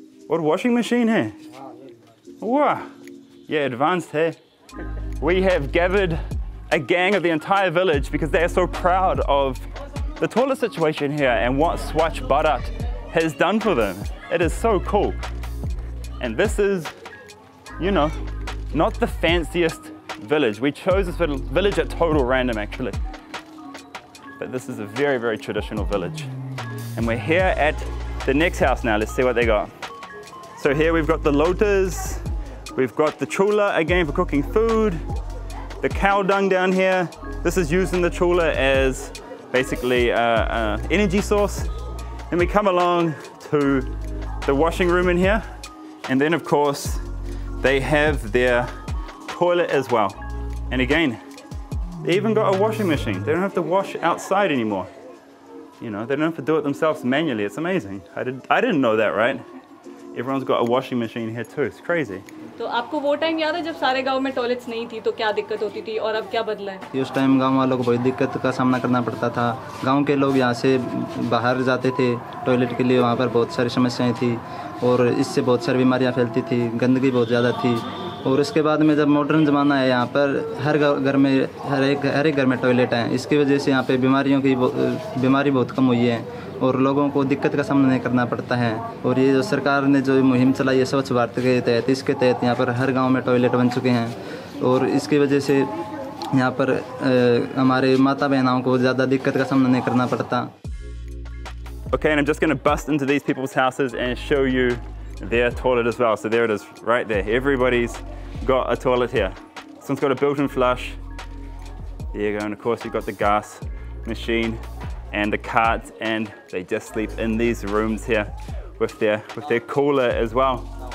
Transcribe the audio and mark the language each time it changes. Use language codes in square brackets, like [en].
[hi] और washing machine है, वाह, ये एडवांस्ड है। [en] We have gathered a gang of the entire village because they are so proud of the toilet situation here and what Swachh Bharat has done for them. It is so cool. And this is, you know, not the fanciest village. We chose this village at total random actually. But this is a very, very traditional village. And we're here at the next house now. Let's see what they got. So here we've got the lotas. We've got the chula again for cooking food. The cow dung down here. This is used in the chula as basically an energy source. Then we come along to the washing room in here. And then of course, they have their toilet as well. And again, they even got a washing machine. They don't have to wash outside anymore. You know, they don't have to do it themselves manually. It's amazing. I didn't know that, right? Everyone's got a washing machine here too. It's crazy. [hi] तो आपको वो time याद है जब सारे गांव में toilets नहीं थी तो क्या दिक्कत होती थी और अब क्या बदला है? उस टाइम गांव वालों को बहुत दिक्कत का सामना करना पड़ता था. गांव के लोग यहां से बाहर जाते थे टॉयलेट के लिए, वहां पर बहुत सारी समस्याएं थी और इससे बहुत सारी बीमारियां फैलती थी, गंदगी बहुत ज्यादा थी. और इसके बाद में जब मॉडर्न ज़माना है, यहाँ पर हर घर में हर एक घर में टॉयलेट हैं, इसकी वजह से यहाँ पे बीमारियों की बीमारी बहुत कम हुई है और लोगों को दिक्कत का सामना नहीं करना पड़ता है. और ये जो सरकार ने जो मुहिम चलाई है स्वच्छ भारत के तहत, इसके तहत यहाँ पर हर गांव में टॉयलेट बन चुके हैं और इसकी वजह से यहाँ पर हमारे माता बहनों को ज़्यादा दिक्कत का सामना नहीं करना पड़ता. [en] Okay, and I'm just gonna bust into these people's houses and show you their toilet as well. So there it is, right there. Everybody's got a toilet here. This one's got a built-in flush. There you go. And of course, you've got the gas machine and the carts, and they just sleep in these rooms here with their cooler as well.